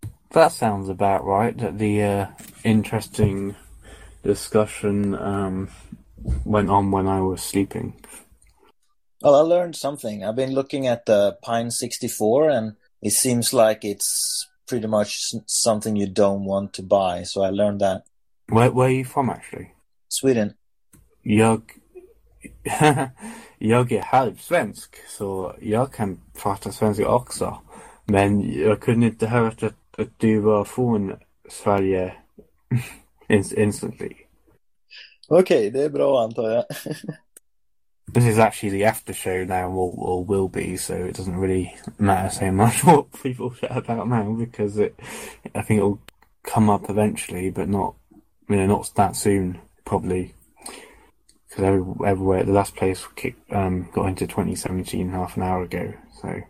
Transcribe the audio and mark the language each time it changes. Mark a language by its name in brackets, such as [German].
[English] That sounds about right. The interesting discussion went on when I was sleeping. Well, I learned something. I've been looking at the Pine 64, and it seems like it's pretty much something you don't want to buy. So I learned that. Where are you from, actually? Sweden. [Swedish] Jag är halv svensk, så jag kan prata svenska också. Men jag kunde inte höra att du var från Sverige instantly. Okej, det är bra antar jag. [English] This is actually the after show now, or will be, so it doesn't really matter so much what people chat about now, because I think it'll come up eventually, but not that soon, probably. Because everywhere, the last place got into 2017 half an hour ago, so.